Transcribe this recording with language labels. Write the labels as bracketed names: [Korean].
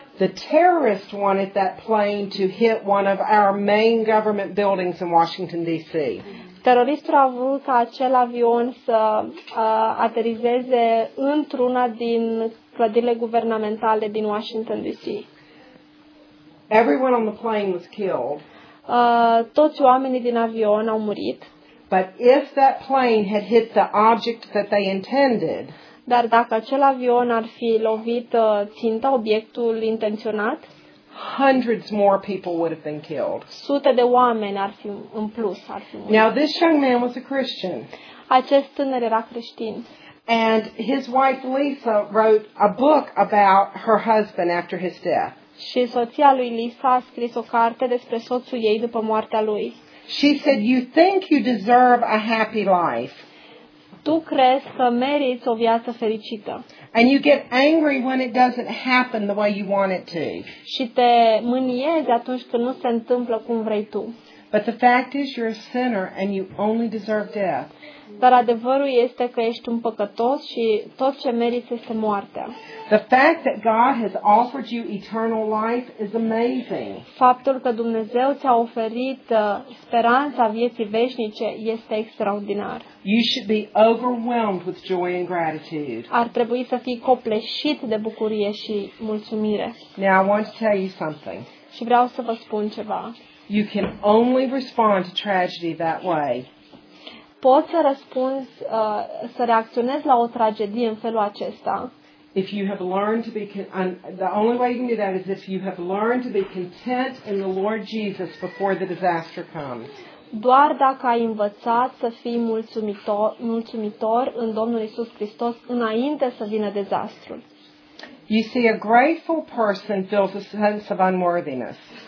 [English] The terrorist wanted that plane to hit one of our main government buildings in Washington D.C. [Romanian] Teroristul a vrut ca acel avion să aterizeze într-una din clădirile guvernamentale din Washington D.C. [English] Everyone on the plane was killed. [Romanian] Toți oamenii din avion au murit. [English] But if that plane had hit the object that they intended, [Romanian] dar dacă acel avion ar fi lovit ținta, obiectul intenționat, [English] hundreds more people would have been killed. [Romanian] Sute de oameni ar fi în plus ar fi murit. [English] Now this young man was a Christian. [Romanian] Acest tânăr era creștin. [English] And his wife Lisa wrote a book about her husband after his death. [Romanian] Și soția lui Lisa a scris o carte despre soțul ei după moartea lui. [English] She said, "You think you deserve a happy life." [Romanian] Tu crezi că meriți o viață fericită. [English] And you get angry when it doesn't happen the way you want it to. [Romanian] Și te mâniezi atunci când nu se întâmplă cum vrei tu. [English] But the fact is you're a sinner and you only deserve death. [Romanian] Dar adevărul este că ești un păcătos și tot ce meriți este moartea. [English] The fact that God has offered you eternal life is amazing. [Romanian] Faptul că Dumnezeu ți-a oferit speranța vieții veșnice este extraordinar. [English] You should be overwhelmed with joy and gratitude. [Romanian] Ar trebui să fii copleșit de bucurie și mulțumire. [English] Now I want to tell you something. [Romanian] Și vreau să vă spun ceva. [English] You can only respond to tragedy that way. [Romanian] Poți să răspunzi, să reacționezi la o tragedie în felul acesta. [English] If you have learned to be the only way you can do that is if you have learned to be content in the Lord Jesus before the disaster comes. [Romanian] Doar dacă ai învățat să fii mulțumitor în Domnul Iisus Hristos înainte să vină dezastrul. [English] You see, a grateful person feels a sense of unworthiness.